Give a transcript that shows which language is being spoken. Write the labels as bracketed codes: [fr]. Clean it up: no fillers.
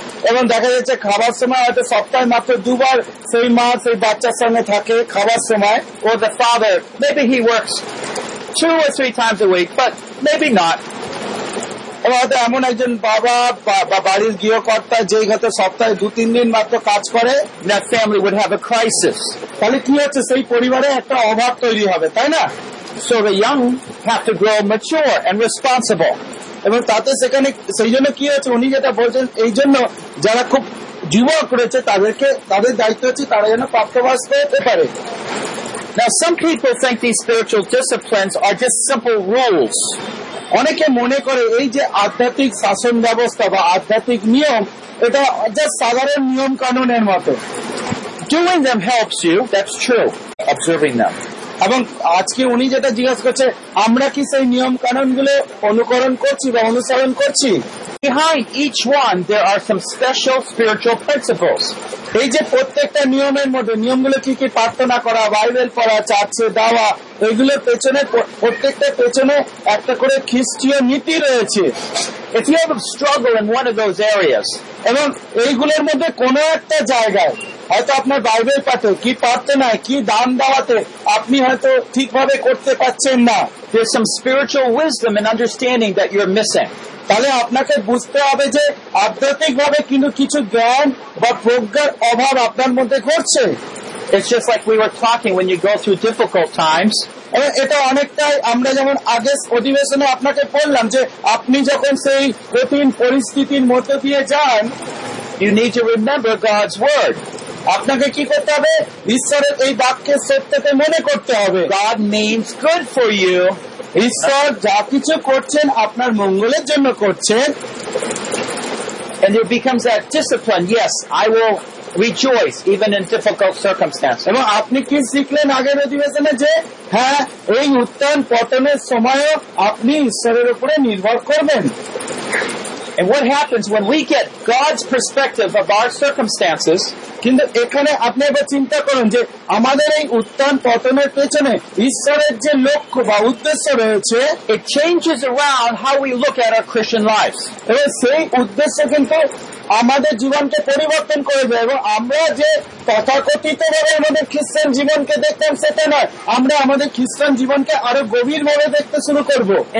[bn] এবং দেখা যাচ্ছে খাবার সময় হয়তো সপ্তাহে মাত্র দুবার সেই মা সেই বাচ্চার সঙ্গে থাকে খাবার সময় [en] or the father, maybe he works two or three times a week, but maybe not. [bn] হয়তো এমন একজন বাবা বা বাড়ির গৃহকর্তা যে হয়তো সপ্তাহে দু তিন দিন মাত্র কাজ করে [en] family we'd have a crisis [bn] তাহলে কি হচ্ছে সেই পরিবারে একটা অভাব তৈরি হবে তাই না [en] so the young have to grow mature and responsible [bn] এবং তাতে সেখানে সেই জন্য কি হচ্ছে উনি যেটা বলছেন এই জন্য যারা খুব যুবক রয়েছে তাদেরকে তাদের দায়িত্ব হচ্ছে তারা যেন প্রাপ্তবয়স্ক হতে পারে [en] Now, some people think these spiritual disciplines are just simple rules. [bn] অনেকে মনে করে এই যে আধ্যাত্মিক শাসন ব্যবস্থা বা আধ্যাত্মিক নিয়ম এটা জাস্ট সাধারণ নিয়ম কানুনের মতো [en] Doing them helps you, that's true, observing them. [bn] এবং আজকে উনি যেটা জিজ্ঞেস করছে আমরা কি সেই নিয়ম কানুন গুলো অনুকরণ করছি বা অনুসরণ করছি [en] Behind each one, there are some special spiritual principles. [bn] এই যে প্রত্যেকটা নিয়মের মধ্যে নিয়মগুলো কি কি প্রার্থনা করা বাইবেল পড়া চার্চে দেওয়া এগুলোর পেছনে প্রত্যেকটা পেছনে একটা করে খ্রিস্টীয় নীতি রয়েছে [en] If you have a struggle in one of those areas, [bn] এবং এইগুলোর মধ্যে কোন একটা জায়গায় হয়তো আপনার বাইবেল পাঠে কি প্রার্থনায় কি দান দেওয়াতে আপনি হয়তো ঠিকভাবে করতে পারছেন না [en] There's some spiritual wisdom and understanding that you're missing. [bn] তাহলে আপনাকে বুঝতে হবে যে আধ্যাত্মিক ভাবে কিন্তু কিছু জ্ঞান বা প্রজ্ঞার অভাব আপনার মধ্যে ঘটছে [en] It's just like we were talking when you go through difficult times. [bn] এটা অনেকটাই আমরা যেমন আগের অধিবেশনে আপনাকে বললাম যে আপনি যখন সেই কঠিন পরিস্থিতির মধ্যে দিয়ে যান [en] You need to remember God's word. [bn] আপনাকে কি করতে হবে ঈশ্বরের এই বাক্যের সত্যতে মনে করতে হবে [en] God means good for you. [bn] ঈশ্বর যা কিছু করছেন আপনার মঙ্গলের জন্য করছেন [en] And it becomes that discipline. Yes, I will rejoice even in difficult circumstances. [bn] এবং আপনি কি শিখলেন আগের অধিবেশনে যে হ্যাঁ এই উত্থান পতনের সময়ও আপনি ঈশ্বরের উপরে নির্ভর করবেন [en] And what happens when we get God's perspective of our circumstances, [bn] কিন্তু এখানে আপনি একবার চিন্তা করুন যে আমাদের এই উত্থান পতনের পেছনে ঈশ্বরের যে লক্ষ্য বা উদ্দেশ্য রয়েছে, [en] it changes around how we look at our Christian lives. [bn] এবং সেই উদ্দেশ্য কিন্তু আমাদের জীবনকে পরিবর্তন করে দেয়। এবং আমরা যে তথাকথিত ভাবে আমাদের খ্রিস্টান জীবনকে দেখতাম সেটা নয়, আমরা আমাদের খ্রিস্টান জীবনকে আরো গভীর ভাবে দেখতে শুরু করবো।